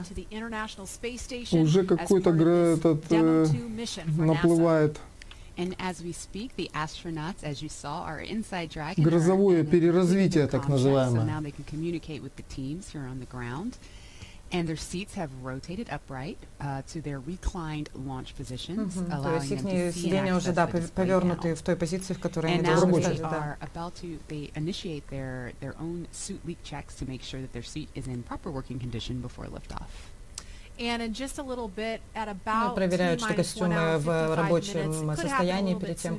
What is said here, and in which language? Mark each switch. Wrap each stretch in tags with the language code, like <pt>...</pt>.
<ru>Уже какой-то этот наплывает.</ru> <en>And as we speak, the astronauts, as you saw, are inside Dragon.</en> <ru>Грозовое переразвитие, так называемое.</ru> <en>So now they can communicate with the teams here on the ground. And their seats have rotated upright to their reclined launch positions, allowing them to see and access the display panel.</en> <ru>В той позиции, в которой</ru> <en>and</en> <ru>они должны</ru> <en>now they are about to they initiate their own suit leak checks to make sure that their seat is in proper working condition before liftoff. And in just a little bit, at about</en> <ru>ну, проверяют, что костюмы в рабочем состоянии перед тем,</ru>